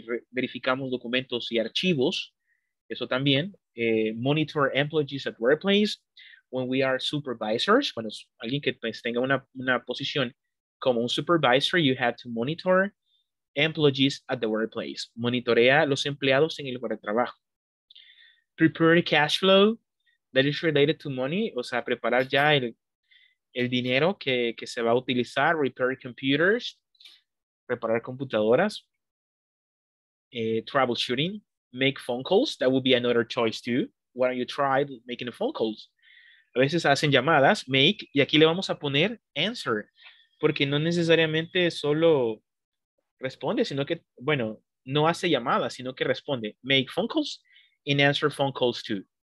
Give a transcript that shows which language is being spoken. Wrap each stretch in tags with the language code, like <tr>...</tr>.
<es>Verificamos documentos y archivos. Eso también.</es> <en>Monitor employees at workplace. When we are supervisors,</en> <es>cuando alguien que tenga una posición como un supervisor,</es> <en>you have to monitor employees at the workplace.</en> <es>Monitorea los empleados en el lugar de trabajo.</es> <en>Prepare cash flow that is related to money.</en> <es>O sea, preparar ya el dinero que se va a utilizar.</es> <en>Repair computers.</en> <es>Preparar computadoras.</es> <en>Troubleshooting. Make phone calls. That would be another choice too. Why don't you try making the phone calls?</en> <es>A veces hacen llamadas,</es> <en>make,</en> <es>y aquí le vamos a poner answer, porque no necesariamente solo responde, sino que, bueno, no hace llamadas, sino que responde.</es> <en>Make phone calls and answer phone calls too.</en>